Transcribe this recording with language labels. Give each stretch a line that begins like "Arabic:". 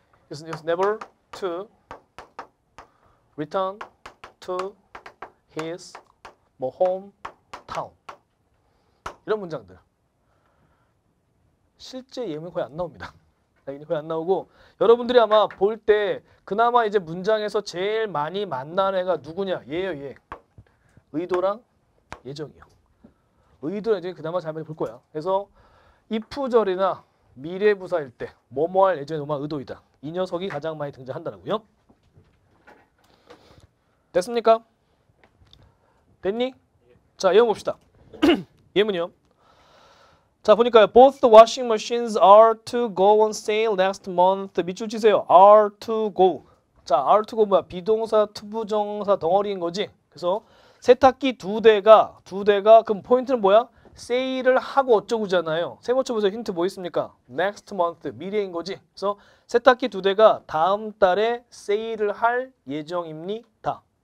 English: is never to return to his home town.
Korean: 이런 문장들. 실제 예문이 거의 안 나옵니다. 거의 안 나오고, 여러분들이 아마 볼 때, 그나마 이제 문장에서 제일 많이 만난 애가 누구냐? 얘예요, 얘. 의도랑 예정이요. 의도랑 예정이 그나마 잘 많이 볼 거야. 그래서, if절이나 미래 부사일 때, 뭐뭐 할 예정의 음악 의도이다. 이 녀석이 가장 많이 등장한다라고요. 됐습니까? 됐니? 자, 예문 봅시다. 예문이요. 자, 보니까요.
English: Both the washing machines are to go on sale next month.
Korean: 밑줄 치세요.
English: Are to go.
Korean: 자,
English: are to go
Korean: 뭐야? 비동사, 투 부정사 덩어리인 거지. 그래서 세탁기 두 대가 그럼 포인트는 뭐야? 세일을 하고 어쩌구잖아요. 세 번째 보세요. 힌트 뭐 있습니까?
English: Next month,
Korean: 미래인 거지. 그래서 세탁기 두 대가 다음 달에 세일을 할 예정입니다.